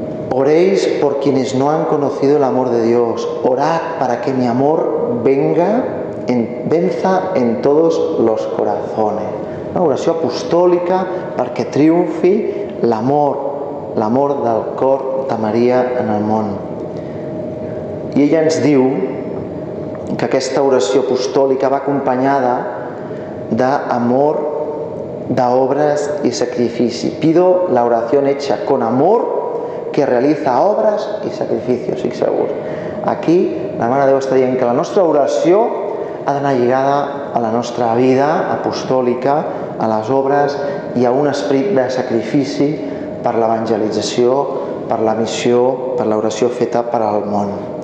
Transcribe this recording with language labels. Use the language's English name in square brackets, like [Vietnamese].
[Spanish] Oréis por quienes no han conocido el amor de Dios. Orad para que mi amor venza en todos los corazones. [Catalan] Una oració apostòlica perquè triomfi l'amor del cor de Maria en el món. I ella ens diu que aquesta oració apostòlica va acompanyada d'amor, d'obres i sacrifici. [Spanish] Pido la oración hecha con amor que realiza obras y sacrificios. [Catalan] Fixeu-vos. Aquí la Mare de Déu està dient que la nostra oració ha d'anar lligada a la nostra vida apostòlica, a les obres i a un esperit de sacrifici per l'evangelització, per la missió, per l'oració feta per al món.